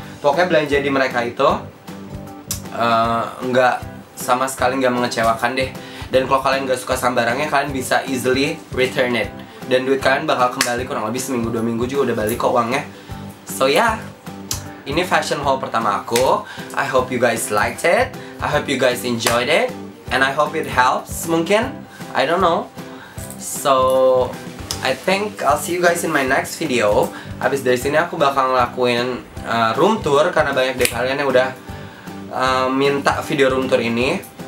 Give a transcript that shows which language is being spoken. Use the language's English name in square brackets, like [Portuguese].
[Indonesian] Pokoknya belanja di mereka itu enggak sama sekali enggak mengecewakan deh. Dan kalau kalian enggak suka sama barangnya, kalian bisa [English] easily return it. [Indonesian] Dan duit kalian bakal kembali kurang lebih seminggu dua minggu juga udah balik kok uangnya. [English] So yeah, [Indonesian] ini fashion haul pertama aku. [English] I hope you guys liked it, I hope you guys enjoyed it, and I hope it helps [Indonesian] mungkin, [English] I don't know. So I think I'll see you guys in my next video. [Indonesian] Abis dari sini aku bakal ngelakuin room tour, karena banyak dari kalian yang udah minta video room tour ini.